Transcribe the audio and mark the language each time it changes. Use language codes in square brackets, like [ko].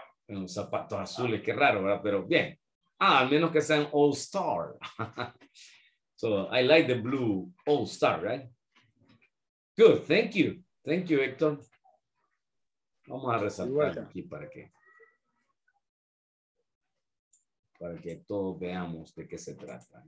[es] Un zapato azul, qué raro, ¿verdad? Pero bien. Ah, al menos que sean all star. [en] So I like the blue old star, right? Good, thank you. Thank you, Héctor. [es] Vamos a resaltar aquí para que todos veamos de qué se trata.